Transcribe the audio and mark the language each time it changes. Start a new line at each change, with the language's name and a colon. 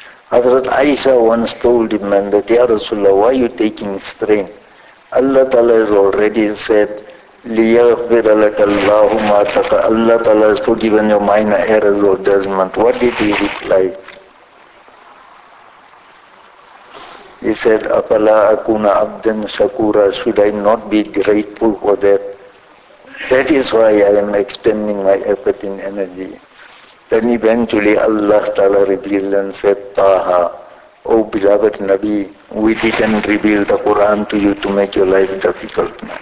English: Hazrat Aisha once told him, man, that Ya Rasulullah, why are you taking strain? Allah Ta'ala has already said,
Arabic: لِيَغْفِرَ لَكَ اللَّهُ مَا تَقَى.
English: Allah Ta'ala has forgiven your minor errors or judgment. What did he reply? He said,
Arabic: أَفَلَا أَكُونَ عَبْدًا شَكُورًا.
English: Should I not be grateful for that? That is why I am expending my effort and energy. Then eventually Allah Ta'ala revealed and said, Taha, O beloved Nabi, we didn't reveal the Quran to you to make your life difficult.